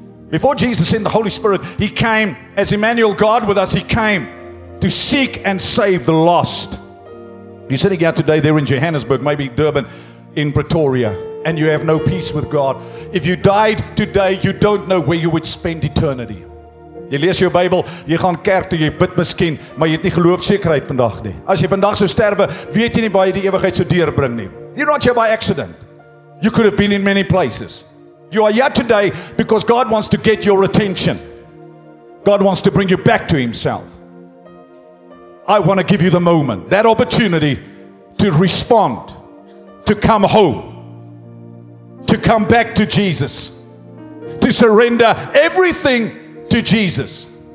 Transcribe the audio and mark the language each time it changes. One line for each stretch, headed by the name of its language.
English: Before Jesus sent the Holy Spirit, He came as Emmanuel, God with us. He came to seek and save the lost. You're sitting out today there in Johannesburg, maybe Durban, in Pretoria, and you have no peace with God. If you died today, you don't know where you would spend eternity.
Afrikaans: Jy lees jou Bybel, jy gaan kerk toe, jy bid miskien, maar jy het nie geloofsekerheid vandag nie. As jy vandag sou sterwe, weet jy nie waar jy die ewigheid sou deurbring nie.
English: You're not here by accident. You could have been in many places. You are here today because God wants to get your attention. God wants to bring you back to Himself. I want to give you the moment, that opportunity to respond, to come home, to come back to Jesus, to surrender everything to Jesus.